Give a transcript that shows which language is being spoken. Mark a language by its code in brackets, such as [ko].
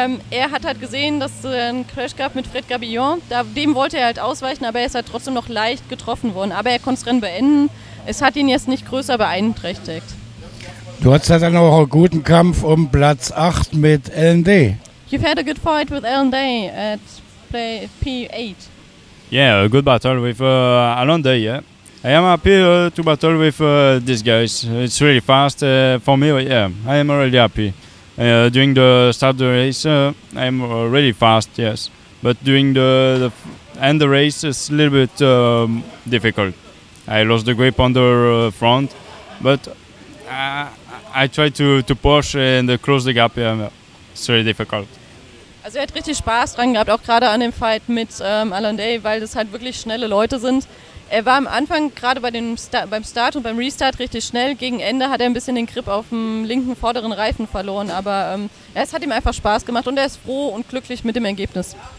[de] Er hat halt gesehen, dass es einen Crash gab mit Fred Gabillon. Dem wollte er halt ausweichen, aber er ist halt trotzdem noch leicht getroffen worden. Aber er konnte das Rennen beenden. Es hat ihn jetzt nicht größer beeinträchtigt. Du hattest halt dann auch einen guten Kampf um Platz 8 mit LND. [en] You've had a good fight with LND at play P8. Yeah, a good battle with Alonde, yeah. I am happy to battle with these guys. It's really fast for me, yeah. I am really happy. During the start of the race, I am really fast, yes. But during the end of the race, it's a little bit difficult. I lost the grip on the front, but I try to push and close the gap. Yeah. It's really difficult. [de] Also er hat richtig Spaß dran gehabt, auch gerade an dem Fight mit Alain Day, weil das halt wirklich schnelle Leute sind. Er war am Anfang gerade beim Start und beim Restart richtig schnell. Gegen Ende hat er ein bisschen den Grip auf dem linken vorderen Reifen verloren. Aber es hat ihm einfach Spaß gemacht und er ist froh und glücklich mit dem Ergebnis.